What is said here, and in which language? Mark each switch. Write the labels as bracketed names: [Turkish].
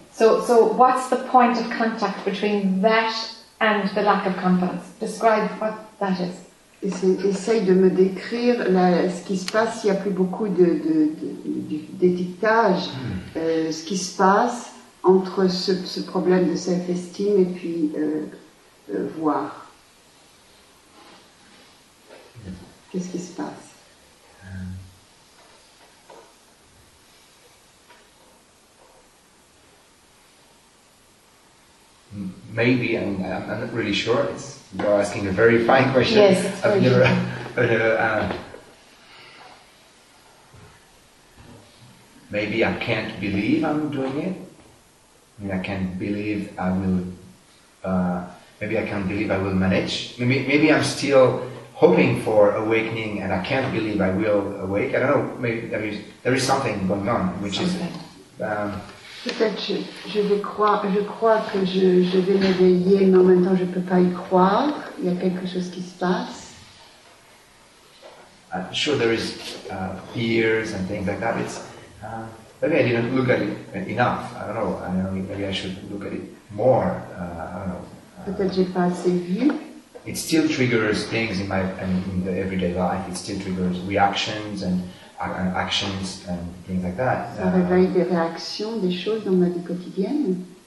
[English] So what's the point of contact between that and the lack of confidence? Describe what that is. [French] Essaye de me décrire ce qui se passe s'il n'y a plus beaucoup d'étiquetage, ce qui se passe entre ce problème de self-esteem et puis voir. Qu'est-ce qui se passe? [English] Maybe, and I'm not really sure. You're asking a very fine question. Yes, I've never. Maybe I can't believe I'm doing it. I mean, I can't believe I will. Maybe I can't believe I will manage. Maybe I'm still hoping for awakening, and I can't believe I will awake. I don't know. Maybe there is something going on, which is. [French] Peut-être je crois que je vais m'éveiller, mais en même temps je ne peux pas y croire. Il y a quelque chose qui se passe. [English] I'm sure there is fears and things like that. But maybe I didn't look at it enough. I don't know. Maybe I should look at it more. I don't know. [French] Peut-être j'ai pas assez vu. [English] It still triggers things in the everyday life. It still triggers reactions and actions and things like that. [French] Ça réveille des réactions, des choses dans ma vie quotidienne.